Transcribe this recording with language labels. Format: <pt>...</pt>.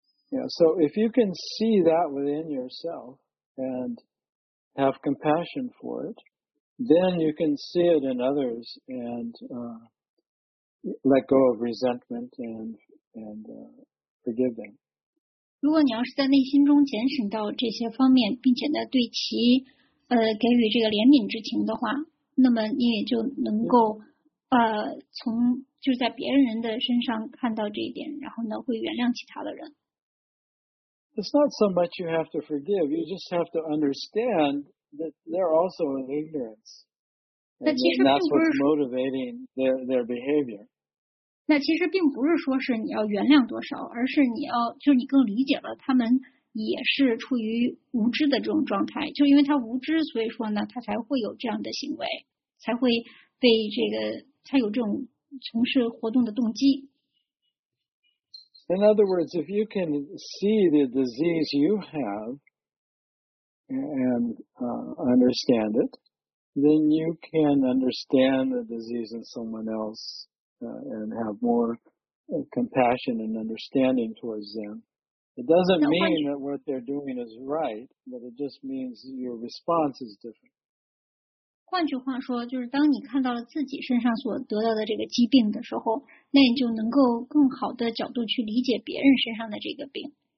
<en>Yeah, so if you can see that within yourself and have compassion for it, then you can see it in others and let go of resentment and forgive them.</en> <zh>如果你要是在内心中检审到这些方面，并且呢对其给予这个怜悯之情的话，那么你也就能够从就在别人的身上看到这一点，然后呢会原谅其他的人。</zh> <en>It's not so much you have to forgive, you just have to understand that they're also in ignorance. And that's what's motivating their behavior.</en> <zh>那其实并不是说是你要原谅多少，而是你要，就是你更理解了他们也是处于无知的这种状态，就因为他无知，所以说呢，他才会有这样的行为，才会被这个，才有这种从事活动的动机。</zh> <en>In other words, if you can see the disease you have and understand it, then you can understand the disease in someone else and have more compassion and understanding towards them. It doesn't mean that what they're doing is right, but it just means your response is different.</en> <zh>换句话说，就是当你看到了自己身上所得到的这个疾病的时候，那你就能够更好的角度去理解别人身上的这个病。</zh>